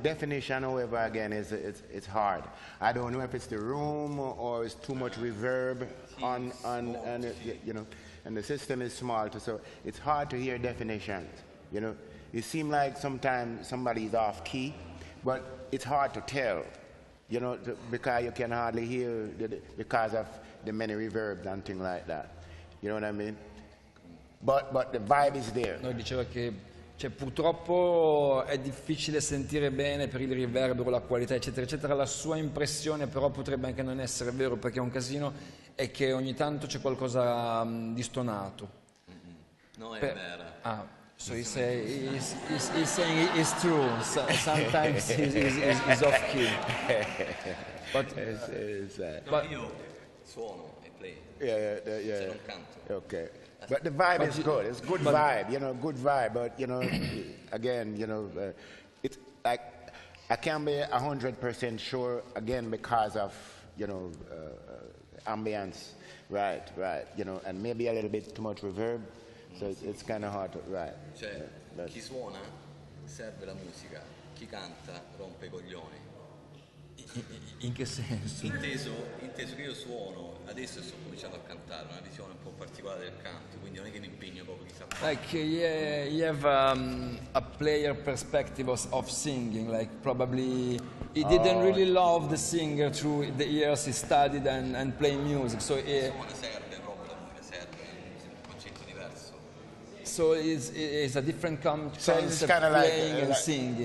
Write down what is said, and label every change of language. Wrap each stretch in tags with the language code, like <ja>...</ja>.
<en>Definition, however, again, it's hard. I don't know if it's the room or it's too much reverb and the system is small, so it's hard to hear definitions. You know, it seems like sometimes somebody's off key, but it's hard to tell. You know, because you can hardly hear because of the many reverbs and things like that. You know what I mean? But the vibe is there.</en> <it>No, diceva che cioè, purtroppo è difficile sentire bene per il riverbero, la qualità, eccetera, eccetera. La sua impressione però potrebbe anche non essere vero perché è un casino, è che ogni tanto c'è qualcosa di stonato. No, è vero.</it> <en>Ah, so he say, he's saying it's true. So, sometimes he's off key. But, but</en> <it>io suono e play. Yeah. Se non canto.</it> <en>Okay. But the vibe is good. It's good vibe, you know, good vibe. But, you know, again, you know, it's like I can't be 100% sure, again, because of, you know, ambience. Right. You know, and maybe a little bit too much reverb. So it's kind of hard to, right.</en> <it>Cioè, yeah, chi suona serve la musica. Chi canta rompe coglioni. In che senso? Inteso che io suono, adesso sto cominciando a cantare, una visione un po' particolare del canto, quindi non è che mi impegno proprio chissà.</it> <en>Like, you have a player perspective of singing, like probably he didn't really love the singer through the years he studied and played music, so he...</en> <it>Suono serve proprio la musica, serve un concetto diverso.</it> <en>So it's a different concept of playing and singing.</en>